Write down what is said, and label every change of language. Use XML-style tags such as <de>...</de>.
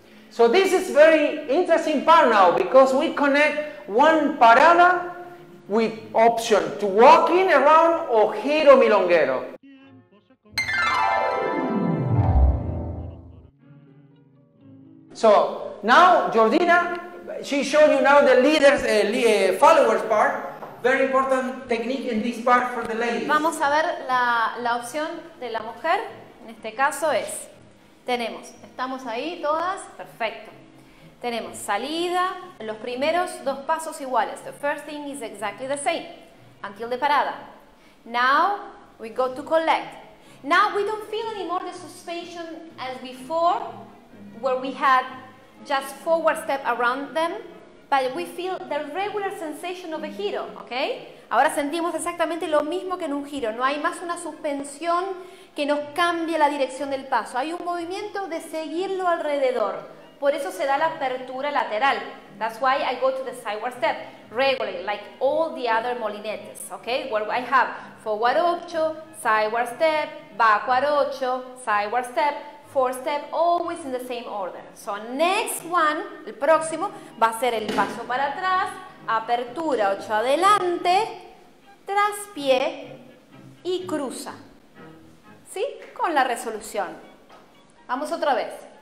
<en>So this is very interesting part now because we connect one parada with option to walking around or giro milonguero. So now Jordina, she showed you now the leaders, followers part. Very important technique in this part for the ladies.</en> <es>Vamos a ver la opción de la mujer. En este caso es, tenemos, estamos ahí todas, perfecto. Tenemos salida, los primeros dos pasos iguales.</es> <en>The first thing is exactly the same, until the parada. Now we go to collect. Now we don't feel anymore the suspension as before, where we had just forward step around them, but we feel the regular sensation of a giro, okay?</en> <es>Ahora sentimos exactamente lo mismo que en un giro. No hay más una suspensión que nos cambie la dirección del paso. Hay un movimiento de seguirlo alrededor. Por eso se da la apertura lateral.</es> <en>That's why I go to the sideward step regularly, like all the other molinetes, okay? Where I have forward 8, sideward step, backward 8, sideward step, four step, always in the same order. So next one,</en> <es>el próximo, va a ser el paso para atrás, apertura 8 adelante, traspié y cruza. ¿Sí? Con la resolución. Vamos otra vez.</es>